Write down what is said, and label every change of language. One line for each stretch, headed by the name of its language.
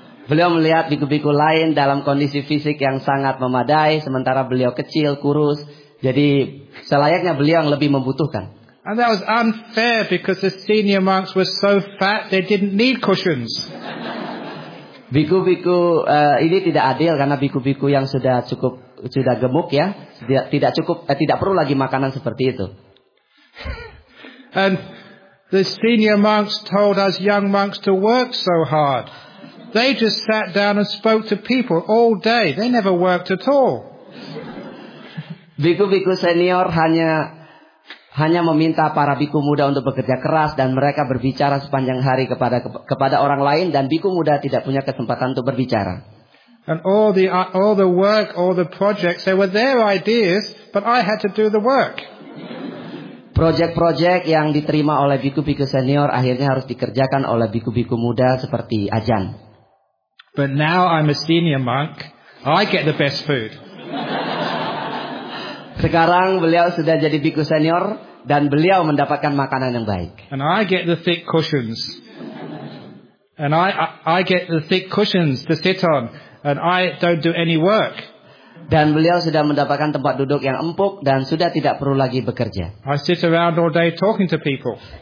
Indonesian: Beliau melihat biku-biku lain dalam kondisi fisik yang sangat memadai, sementara beliau kecil, kurus. Jadi selayaknya beliau yang lebih membutuhkan.
English: And that was unfair because the senior monks were so fat they didn't need cushions.
Indonesian: Biku-biku ini tidak adil karena biku-biku yang sudah gemuk ya, tidak perlu lagi makanan seperti itu.
English: And the senior monks told us young monks to work so hard. They just sat down and spoke to people all day. They never worked at all.
Indonesian: Biku-biku senior hanya meminta para biku muda untuk bekerja keras dan mereka berbicara sepanjang hari kepada orang lain dan biku muda tidak punya kesempatan untuk berbicara.
English: And all the work, all the projects, they were their ideas, but I had to do the work.
Indonesian: Project-project yang diterima oleh biku-biku senior akhirnya harus dikerjakan oleh biku-biku muda seperti ajan.
English: But now I'm a senior monk, I get the best food.
Indonesian: Sekarang beliau sudah jadi biku senior dan beliau mendapatkan makanan yang baik.
English: And I get the thick cushions. And I get the thick cushions to sit on and I don't do any work.
Indonesian: Dan beliau sudah mendapatkan tempat duduk yang empuk dan sudah tidak perlu lagi bekerja.
English: I sit around all day talking to people.